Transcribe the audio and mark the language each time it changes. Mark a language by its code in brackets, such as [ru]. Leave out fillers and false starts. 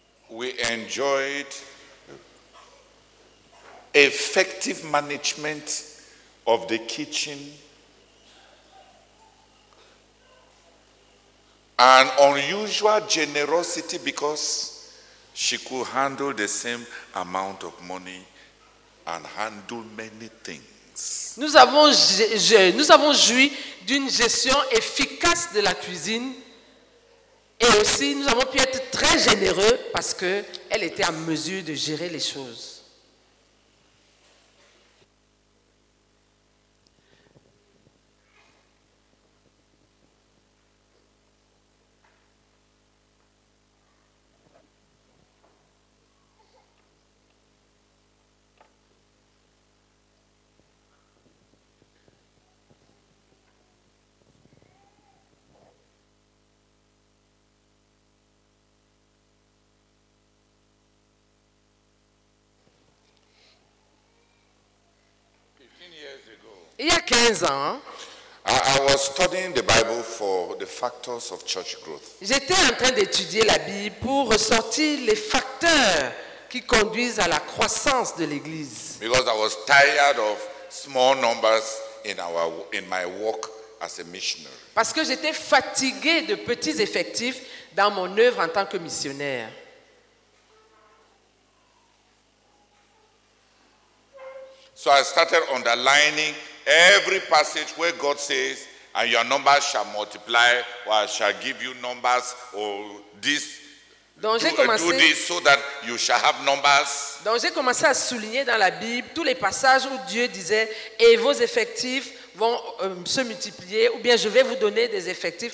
[en] We enjoyed effective management of the kitchen and unusual generosity because she could handle the same amount of money and handle many things. [fr] Nous avons joui d'une gestion efficace de la cuisine. Et aussi, nous avons pu être très généreux parce qu'elle était en mesure de gérer les choses. Il y a 15 ans, [en] I was studying the Bible for the factors of church growth. [fr] J'étais en train d'étudier la Bible pour ressortir les facteurs qui conduisent à la croissance de l'église. [en] Because I was tired of small numbers in my work as a missionary. [fr] Parce que j'étais fatigué de petits effectifs dans mon œuvre en tant que missionnaire. [en] So I started underlining every passage where God says, and your numbers shall multiply, or I shall give you numbers, or this, do this so that you shall have numbers. [fr] Donc j'ai commencé à souligner dans la Bible tous les passages où Dieu disait, et vos effectifs vont se multiplier, ou bien je vais vous donner des effectifs.